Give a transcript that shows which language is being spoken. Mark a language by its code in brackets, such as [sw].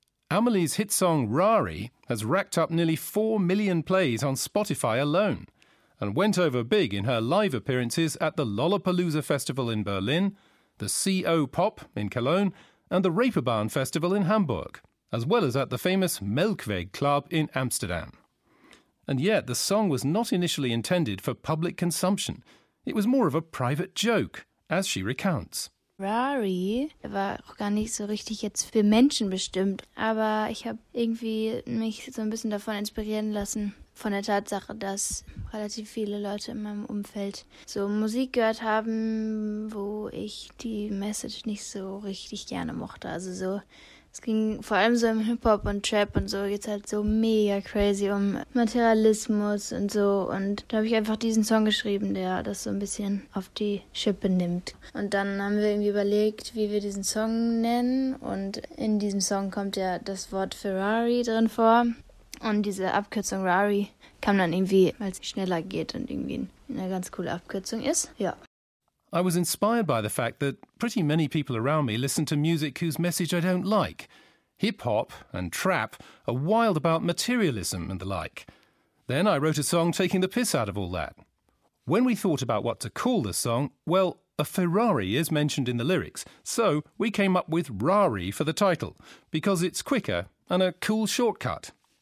[en] Amelie's hit song Rari has racked up nearly 4 million plays on Spotify alone, and went over big in her live appearances at the Lollapalooza Festival in Berlin, the CO Pop in Cologne, and the Reeperbahn Festival in Hamburg, as well as at the famous Melkweg Club in Amsterdam. And yet, the song was not initially intended for public consumption. It was more of a private joke, as she recounts. [de] Rari war auch gar nicht so richtig jetzt für Menschen bestimmt, aber ich habe irgendwie mich so ein bisschen davon inspirieren lassen, von der Tatsache, dass relativ viele Leute in meinem Umfeld so Musik gehört haben, wo ich die Message nicht so richtig gerne mochte. Also so, es ging vor allem so im Hip-Hop und Trap und so, geht's halt so mega crazy um Materialismus und so. Und da habe ich einfach diesen Song geschrieben, der das so ein bisschen auf die Schippe nimmt. Und dann haben wir irgendwie überlegt, wie wir diesen Song nennen. Und in diesem Song kommt ja das Wort Ferrari drin vor. Und diese Abkürzung Rari kam dann irgendwie, weil es schneller geht und irgendwie eine ganz coole Abkürzung ist. Ja. [en] I was inspired by the fact that pretty many people around me listen to music whose message I don't like. Hip-hop and trap are wild about materialism and the like. Then I wrote a song taking the piss out of all that. When we thought about what to call the song, well, a Ferrari is mentioned in the lyrics, so we came up with Rari for the title, because it's quicker and a cool shortcut.